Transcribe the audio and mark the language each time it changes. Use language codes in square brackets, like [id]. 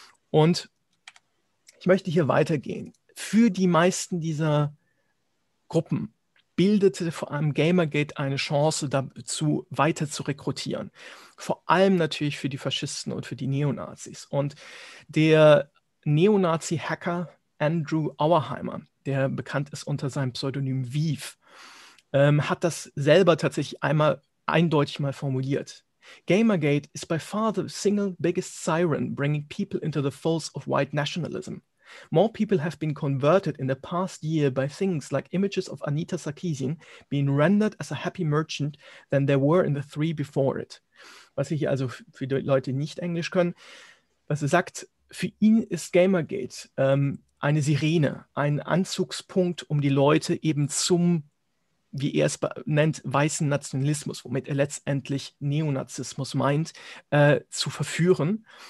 [de] Und ich möchte hier weitergehen. Für die meisten dieser Gruppen bildete vor allem Gamergate eine Chance dazu, weiter zu rekrutieren. Vor allem natürlich für die Faschisten und für die Neonazis. Und der Neonazi-Hacker Andrew Auerheimer, der bekannt ist unter seinem Pseudonym Veeve, hat das selber tatsächlich einmal eindeutig mal formuliert. [en] Gamergate is by far the single biggest siren bringing people into the folds of white nationalism. More people have been converted in the past year by things like images of Anita Sarkeesian being rendered as a happy merchant than there were in the three before it. [de] Was ich hier also für die Leute nicht Englisch können, was er sagt, für ihn ist Gamergate eine Sirene, ein Anzugspunkt, um die Leute eben zum, wie er es nennt, weißen Nationalismus, womit er letztendlich Neonazismus meint, zu verführen.